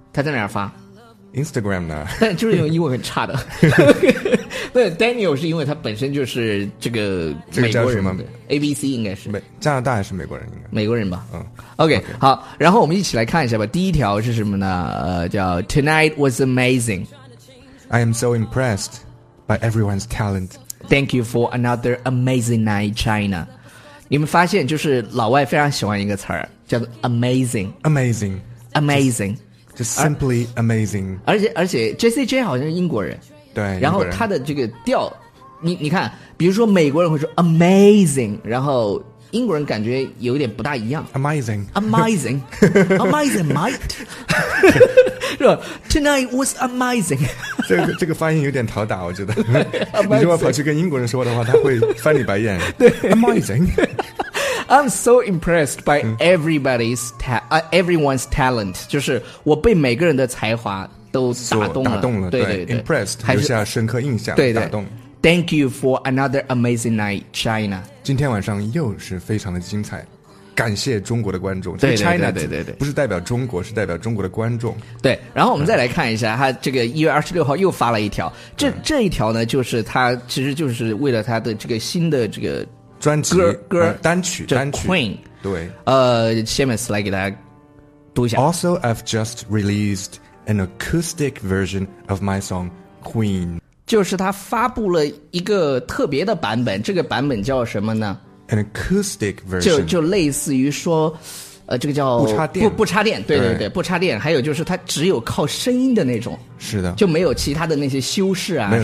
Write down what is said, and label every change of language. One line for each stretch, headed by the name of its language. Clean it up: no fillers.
Chinese: 他在哪儿发？ Instagram 呢？但就是用英文很差的。那 Daniel 是因为他本身就是这个美国人，这个叫什么 ABC 应该是加拿大还是美国人？应该美国人吧。嗯 okay, ，OK， 好，然后我们一起来看一下吧。第一条是什么呢？叫
English: Tonight was amazing. I am so impressed by everyone's talent. Thank you for another amazing night, China.
Chinese: 你们发现就是老外非常喜欢一个词儿，叫做 amazing，
English: amazing， amazing。 Just simply amazing.
Chinese: 而且 JCJ 好像是英国人，对，然后他的这个调，你看，比如说美国人会说 amazing， 然后英国人感觉有点不大一样。
English: Amazing, amazing, amazing, mate.
Chinese: 是吧
English: ？Tonight was amazing.
Chinese: 这个发音有点讨打，我觉得。你如果跑去跟英国人说的话，他会翻你白眼。对
English: ，amazing. I'm so impressed by everybody's everyone's talent.
Chinese: 就是我被每个人的才华都打动了。对对对，impressed 留下深刻印象，对对打动。
English: Thank you for another amazing night, China.
Chinese: 今天晚上又是非常的精彩，感谢中国的观众。对 China 对对 对, 对, 对，不是代表中国，是代表中国的观众。对，然后我们再来看一下，他这个1月26号又发了一条，这一条呢，就是他其实就是为了他的这个新的这个专辑歌单曲
English: Queen。
Chinese: 对， Seamus 来给大家读一下。
English: Also, I've just released an acoustic version of my song Queen.
Chinese: 就是他发布了一个特别的版本，这个版本叫什么呢
English: ？An acoustic version，
Chinese: 就类似于说，这个叫不插电，对对 对, 对，不插电。还有就是他只有靠声音的那种，是的，就没有其他的那些修饰啊，没有